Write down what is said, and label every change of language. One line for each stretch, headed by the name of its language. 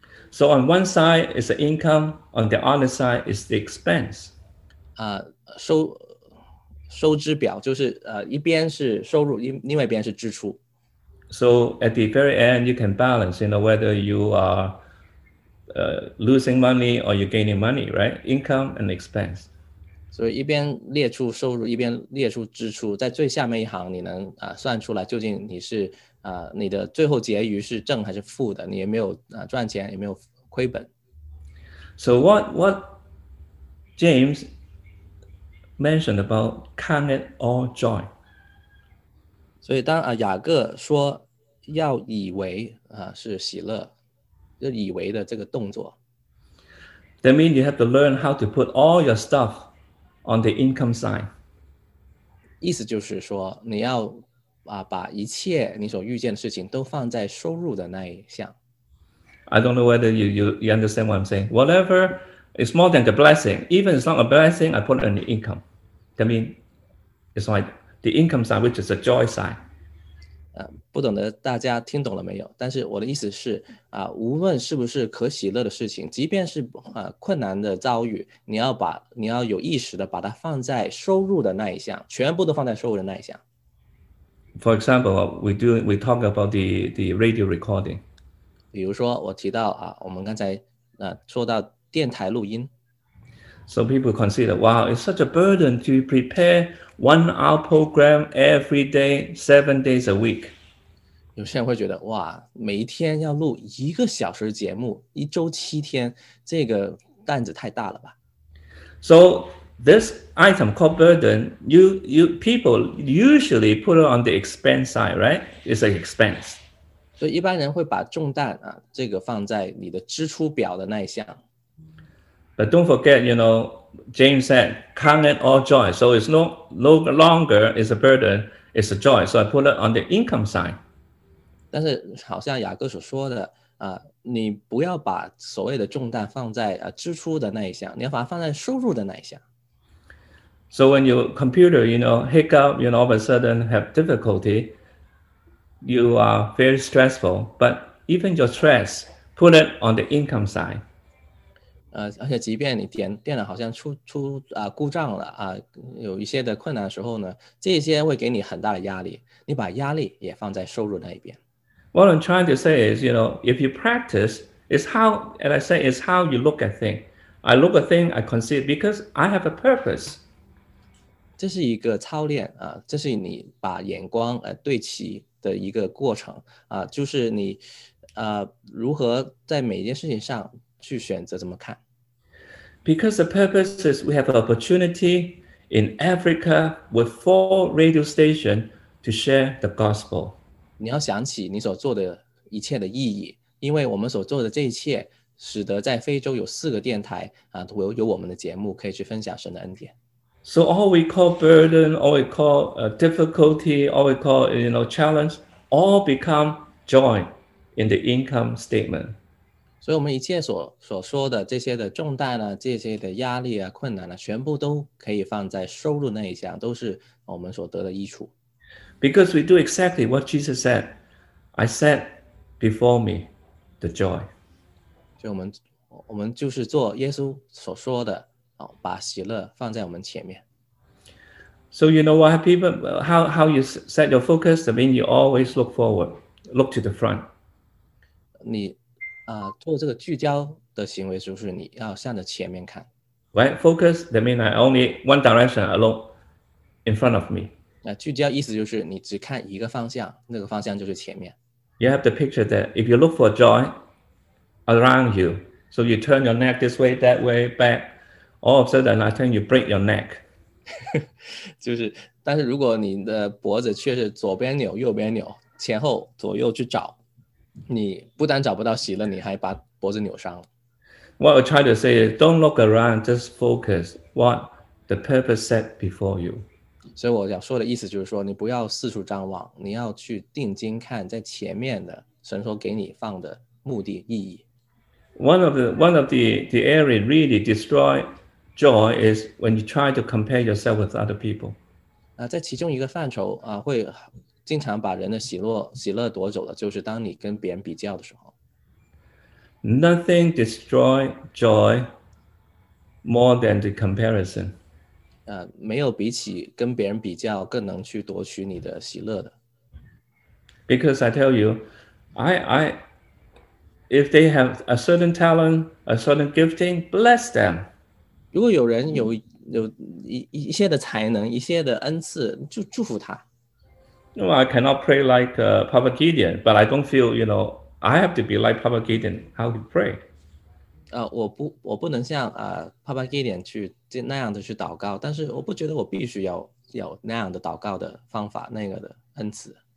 English: So on one side is the income, on the other side is the expense.
Chinese: 收支表就是一边是收入，另外一边是支出。
English: So at the very end, you can balance, you know, whether you are losing money or you're gaining money, right? Income and expense.
Chinese: 所以一边列出收入，一边列出支出，在最下面一行，你能算出来究竟你是。你的最后结余是正还是负的，你也没有赚钱也没有亏本。
English: So what James mentioned about count it all joy.
Chinese: 所以当雅各说要以为是喜乐，就以为的这个动作。
English: That means you have to learn how to put all your stuff on the income side.
Chinese: 意思就是说你要把一切你所遇见的事情都放在收入的那一项。
English: I don't know whether you understand what I'm saying. Whatever is more than the blessing, even if it's not a blessing, I put it on the income. That means it's like the income side, which is a joy side.
Chinese: 不懂得大家听懂了没有，但是我的意思是无论是不是可喜乐的事情，即便是困难的遭遇，你要有意识的把它放在收入的那一项，全部都放在收入的那一项。
English: For example, we talk about the radio recording.
Chinese: 比如说我提到我们刚才说到电台录音。
English: So people consider, wow, it's such a burden to prepare one-hour program every day, 7 days a week.
Chinese: 有些人会觉得，哇，每一天要录一个小时节目，一周七天，这个担子太大了吧。
English: So this item called burden, you people usually put it on the expense side, right? It's an expense.
Chinese: 所以一般人会把重担这个放在你的支出表的那一项。
English: But don't forget, you know, James said, count it all joy. So it's no longer is a burden, it's a joy. So I put it on the income side.
Chinese: 但是好像雅各所说的你不要把所谓的重担放在支出的那一项，你要把它放在收入的那一项。
English: So when your computer, you know, hiccup, you know, all of a sudden have difficulty, you are very stressful, but even your stress, put it on the income side.
Chinese: 而且即便你电脑好像出故障了有一些的困难的时候呢，这些会给你很大的压力，你把压力也放在收入那一边。
English: What I'm trying to say is, you know, if you practice, it's how, and I say it's how you look at things. I look at things, I consider, because I have a purpose.
Chinese: 这是一个操练这是你把眼光对齐的一个过程就是你如何在每一件事情上去选择怎么看。
English: Because the purpose is we have an opportunity in Africa with 4 radio stations to share the gospel.
Chinese: 你要想起你所做的一切的意义，因为我们所做的这一切使得在非洲有4个电台有我们的节目可以去分享神的恩典。
English: So all we call burden, all we call difficulty, all we call you know, challenge, all become joy in the income statement.
Chinese: 所以我们一切所说的这些的重担这些的压力困难全部都可以放在收入那一项，都是我们所得的益处。
English: Because we do exactly what Jesus said, I set before me the joy.
Chinese: 所以我们就是做耶稣所说的把喜乐放在我们前面。
English: So you know why people, how you set your focus, I mean you always look forward, look to the front.
Chinese: 你做这个聚焦的行为就是你要向着前面看。
English: Right, focus, that means I only one direction alone in front of me.
Chinese: 聚焦意思就是你只看一个方向，那个方向就是前面。
English: You have the picture that if you look for joy around you, so you turn your neck this way, that way, back, all of a sudden I think you break your neck.
Chinese: 就是，但是如果你的脖子却是左边扭、右边扭、前后左右去找，你不但找不到喜乐，你还把脖子扭伤了。
English: What I try to say is, don't look around, just focus what the purpose set before you.
Chinese: 所以我要说的意思就是说，你不要四处张望，你要去定睛看在前面的神所给你放的目的意义。
English: One of the area really destroy joy is when you try to compare yourself with other people.
Chinese: 在其中一个范畴会经常把人的喜乐夺走的，就是当你跟别人比较的时候。
English: Nothing destroys joy more than the comparison.
Chinese: 没有比起跟别人比较更能去夺取你的喜乐的。
English: Because I tell you, if they have a certain talent, a certain gifting, bless them.
Chinese: 如果有人有一些的才能，一些的恩赐，就祝福他。
English: No, I cannot pray like Papa Gideon, but I don't feel, you know, I have to be like Papa Gideon, how he pray.
Chinese: 我不能像Papa Gideon去那样的去祷告，但是我不觉得我必须要有那样的祷告的方法，那个的恩赐。